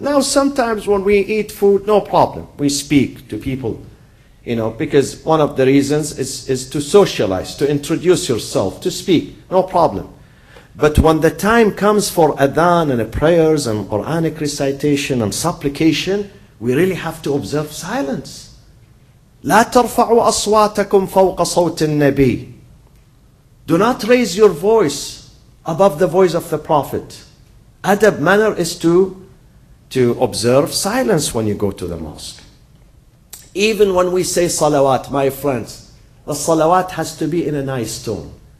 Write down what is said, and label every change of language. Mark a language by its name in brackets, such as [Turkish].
[English] Now sometimes when we eat food, no problem. We speak to people, you know, because one of the reasons is to socialize, to introduce yourself, to speak, no problem. But when the time comes for adhan and prayers and Quranic recitation and supplication, we really have to observe silence. [Arabic] لا ترفعوا أصواتكم فوق صوت النبي. [English] Do not raise your voice above the voice of the prophet. Adab manner is to observe silence when you go to the mosque. Even when we say salawat, my friends, the salawat has to be in a nice tone.